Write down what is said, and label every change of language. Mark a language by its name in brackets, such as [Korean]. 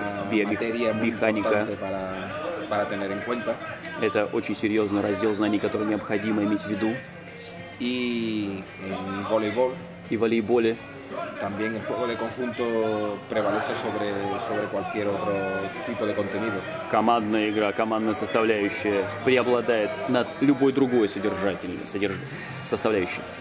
[Spanish] биомеханика para tener en cuenta. [Russian] Это очень серьезный раздел знаний, который необходимо иметь в виду. [Spanish] Y en voleibol, [Russian] и в волейболе. [Spanish] También el juego de conjunto prevalece sobre cualquier otro tipo de contenido. [Russian] Командная игра, командная составляющая преобладает над любой другой составляющей.